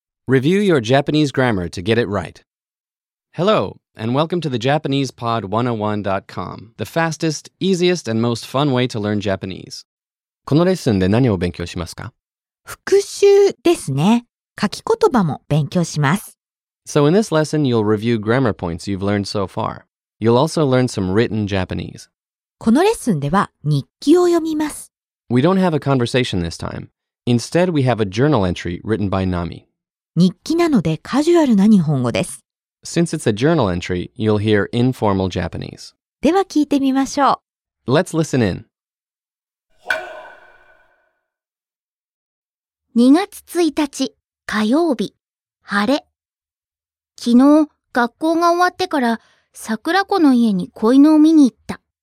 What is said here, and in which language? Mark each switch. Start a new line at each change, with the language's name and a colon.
English: Review your Japanese grammar to get it right. Hello, and welcome to the JapanesePod101.com, the fastest, easiest, and most fun way to learn Japanese.
Japanese: このレッスンで何を勉強しますか？復習ですね。書き言葉も勉強します。
English: So in this lesson, you'll review grammar points you've learned so far. You'll also learn some written Japanese.
Japanese: このレッスンでは日記を読みます。
English: We don't have a conversation this time. Instead, we have a journal entry written by Nami.
Japanese: 日記なのでカジュアルな日本語です。
English: Since it's a journal entry, you'll hear informal Japanese.
Japanese: では聞いてみましょう。
English: Let's listen in.
Japanese: 2月1日、火曜日、晴れ。昨日、学校が終わってから桜子の家に子犬を見に行った。